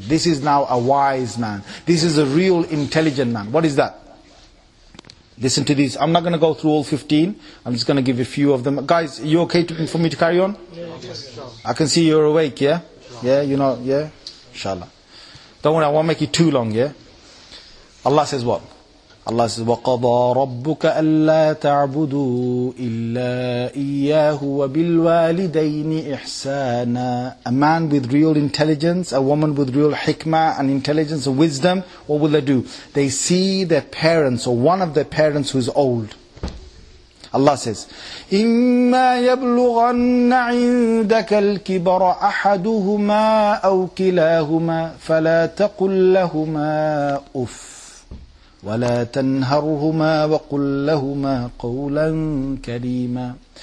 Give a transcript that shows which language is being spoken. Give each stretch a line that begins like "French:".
English: This is now a wise man. This is a real intelligent man. What is that? Listen to this. I'm not going to go through all 15. I'm just going to give a few of them. Guys, are you okay for me to carry on? Yes, sir. I can see you're awake, yeah? Yeah, you know, yeah? Inshallah. Don't worry, I won't make it too long, yeah? Allah says what? Allah says,
Arabic: وَقَضَى رَبُّكَ أَلَّا تَعْبُدُوا إِلَّا إِيَّاهُ وَبِالْوَالِدَيْنِ إِحْسَانًا.
English: A man with real intelligence, a woman with real hikmah and intelligence and wisdom, what will they do? They see their parents or one of their parents who is old. Allah says,
Arabic: إِمَّا يَبْلُغَنَّ عِنْدَكَ الْكِبَرَ أَحَدُهُمَا أَوْ كِلَاهُمَا فَلَا تَقُلْ لَهُمَا أُفٍّ وَلَا تَنْهَرْهُمَا وَقُلْ لَهُمَا قَوْلًا كَرِيمًا.